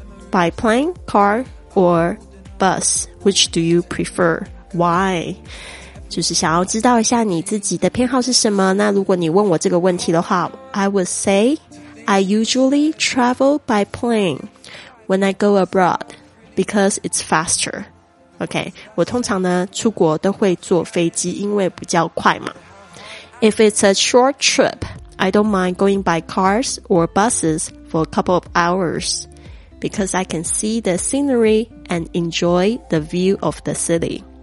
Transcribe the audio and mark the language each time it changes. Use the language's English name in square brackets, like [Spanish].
[English] By plane, car, or bus? Which do you prefer? Why? [Chinese] 就是想要知道一下你自己的偏好是什么。那如果你问我这个问题的话， [English] I would say I usually travel by plane when I go abroad because it's faster. [Chinese] OK, 我通常呢出国都会坐飞机，因为比较快嘛。 [English] If it's a short trip, I don't mind going by cars or buses for a couple of hours because I can see the scenery and enjoy the view of the city.